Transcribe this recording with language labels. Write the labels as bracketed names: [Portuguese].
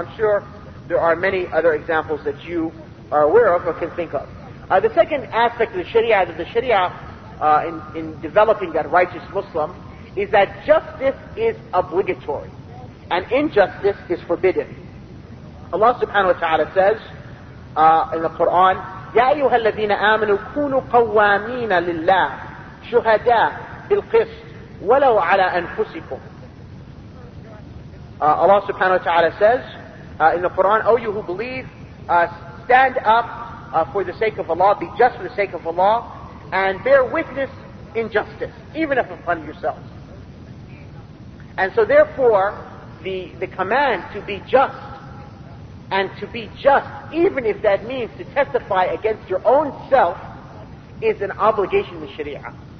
[English] I'm sure there are many other examples that you are aware of or can think of. The second aspect of the Sharia, in developing that righteous Muslim, is that justice is obligatory and injustice is forbidden. Allah subhanahu wa ta'ala says in the Quran, [Arabic] يَا أَيُّهَا الَّذِينَ آمَنُوا كُونُوا قَوَّامِينَ لِلَّهِ شُهَدَاءَ بِالْقِسْطِ وَلَوْ عَلَىٰ أَنفُسِكُمْ. [English] Allah subhanahu wa ta'ala says in the Quran, O you who believe, stand up for the sake of Allah, be just for the sake of Allah, and bear witness injustice, even if upon yourselves. And so therefore, the command to be just, and to be just, even if that means to testify against your own self, is an obligation in the Sharia.